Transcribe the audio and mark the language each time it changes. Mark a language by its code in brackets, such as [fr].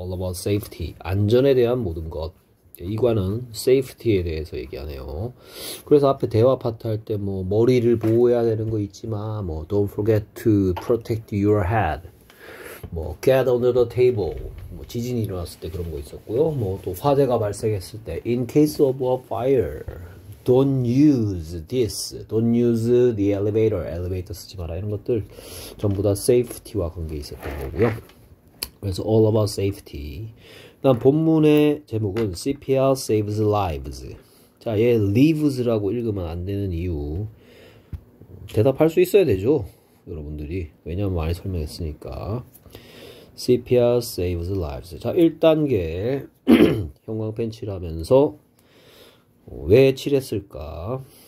[en] All about safety. [ko] 안전에 대한 모든 것. 이과는 safety에 대해서 얘기하네요. 그래서 앞에 대화 파트 할때 뭐, 머리를 보호해야 되는 거 있지만, 뭐, [en] don't forget to protect your head. 뭐, get under the table. [ko] 뭐, 지진이 일어났을 때 그런 거 있었고요. 뭐, 또 화재가 발생했을 때, [en] in case of a fire, don't use this. Don't use the elevator. [ko] 엘리베이터 쓰지 마라. 이런 것들 전부 다 safety와 관계 있었던 거고요. 그래서 [en] all about safety. [ko] 그다음 본문의 제목은 [en] CPR saves lives. [ko] 자, 얘 lives라고 읽으면 안 되는 이유. 대답할 수 있어야 되죠, 여러분들이. 왜냐면 많이 설명했으니까. [en] CPR saves lives. [ko] 자, 1단계 형광펜 칠하면서 왜 칠했을까?